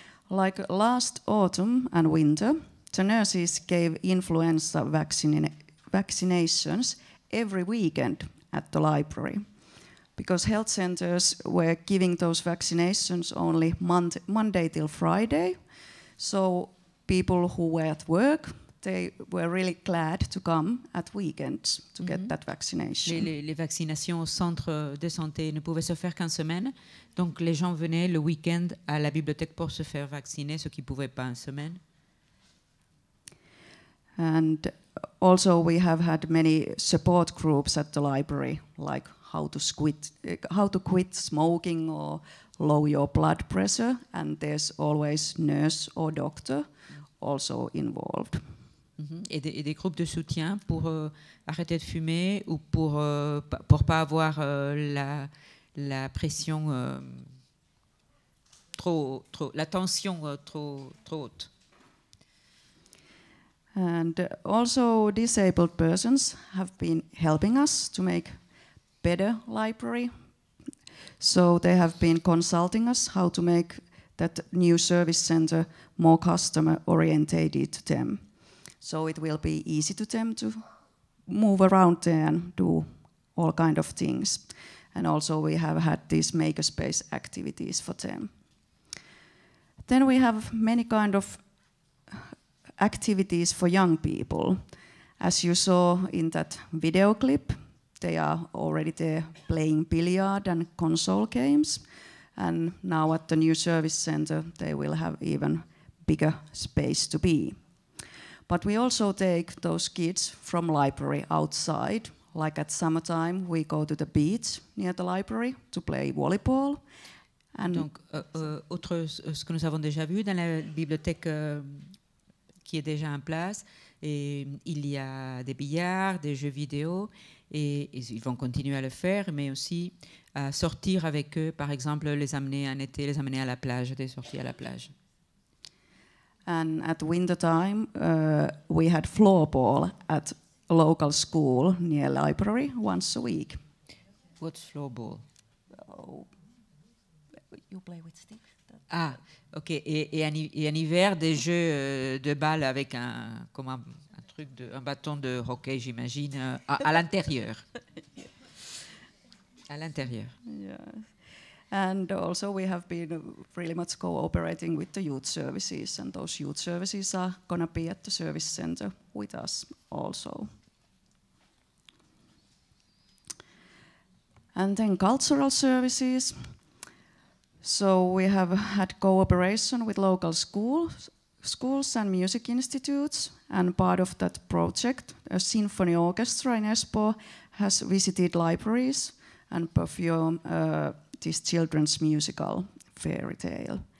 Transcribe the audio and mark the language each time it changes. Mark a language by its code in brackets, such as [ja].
[en] Like last autumn and winter, the nurses gave influenza vaccinations every weekend at the library, because health centers were giving those vaccinations only Monday till Friday. So people who were at work, they were really glad to come at weekends to mm-hmm. get that vaccination. [fr] Les vaccinations au centre de santé ne pouvaient se faire qu'en semaine. Donc les gens venaient le week-end à la bibliothèque pour se faire vacciner, ceux qui ne pouvaient pas en semaine. [en] And also we have had many support groups at the library, like how to quit smoking or low your blood pressure, and there's always nurse or doctor also involved. Mm-hmm. [fr] Et des groupes de soutien pour arrêter de fumer ou pour pas avoir la pression trop la tension trop haute. [en] And also disabled persons have been helping us to make better library. So they have been consulting us how to make that new service center more customer orientated to them. So it will be easy to them to move around there and do all kind of things. And also we have had these makerspace activities for them. Then we have many kind of activities for young people. As you saw in that video clip, they are already there playing billiard and console games. And now at the new service center, they will have even bigger space to be. But we also take those kids from library outside. Like at summertime, we go to the beach near the library to play volleyball. [fr] And donc, autre ce que nous avons déjà vu dans la bibliothèque qui est déjà en place, et il y a des billards, des jeux vidéo, et ils vont continuer à le faire, mais aussi à sortir avec eux, par exemple, les amener en été, les amener à la plage, des sorties à la plage. [en] And at winter time, we had floorball at a local school near library once a week. What's floorball? Oh, you play with sticks. Ah, ok. [fr] Et en hiver, des jeux de balles avec un bâton de hockey, j'imagine, à l'intérieur. À l'intérieur. [en] Yes. And also we have been really much cooperating with the youth services, and those youth services are going to be at the service center with us also. And then cultural services. So we have had cooperation with local schools and music institutes, and part of that project, a symphony orchestra in Espoo has visited libraries and performed this children's musical fairy tale.